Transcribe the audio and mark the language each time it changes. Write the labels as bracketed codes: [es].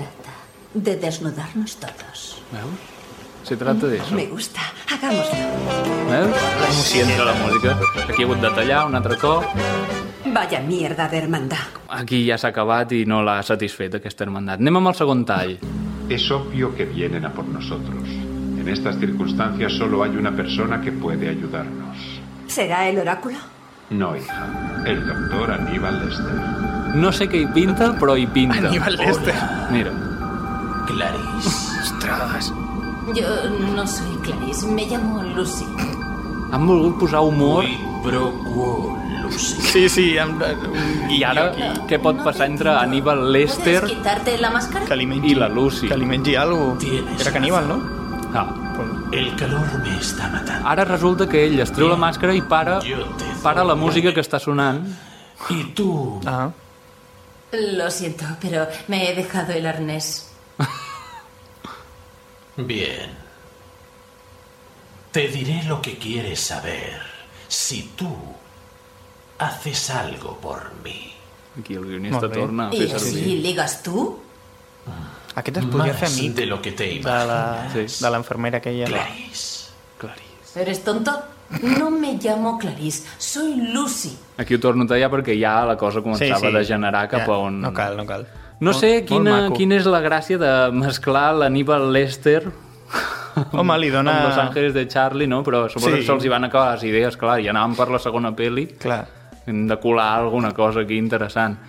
[es] Se trata de desnudarnos todos. ¿Veus? Se trata de eso. Me gusta. Hagámoslo. [ca] ¿Ves? ¿Cómo siento la música? Aquí he hagut de tallar un altre cop. [es] Vaya mierda de hermandad. [ca] Aquí ja s'ha acabat i no l'ha satisfet aquesta hermandad. Anem amb el segon tall. [es] Es obvio que vienen a por nosotros. En estas circunstancias solo hay una persona que puede ayudarnos. ¿Será el oráculo? No, hija. El doctor Aníbal Lester. No sé qué pinta, pero hoy pinta. Aníbal Lester. Mira. Clarice. Ostras. Yo no soy Clarice, me llamo Lucy. [ca] Han volgut posar humor. Però quo, Lucy. Sí, sí, han... I ara, què pot passar entre Aníbal Lester... [es] ¿Puedes quitarte la máscara? [ca] Que li mengi, i la Lucy. Que li mengi algo. [es] Tienes [ca] era que Aníbal, no? Ah. [es] El calor me está matando. [ca] Ara resulta que ell es treu la màscara i para la música que està sonant. [es] ¿Y tú? Ah. Lo siento, pero me he dejado el arnés. Bien. Te diré lo que quieres saber si tú haces algo por mí. [ca] Aquí el guionista torna. [es] ¿Y así ligas tú? [ca] Aquest es podria fer amic [es] de lo que te imaginas. [ca] De l'enfermera aquella. [es] Clarice. ¿Eres tonto? No me llamo Clarice, soy Lucy. [ca] Aquí ho torno a tallar perquè ja la cosa començava a degenerar cap a on... No cal, no cal. No sé quina és la gràcia de mesclar l'Aníbal Lester... Home, li dona... Amb Los Ángeles de Charlie, no? Però suposo que se'ls hi van acabar les idees, clar, i anàvem per la segona pel·li. Clar. Hem de colar alguna cosa aquí interessant.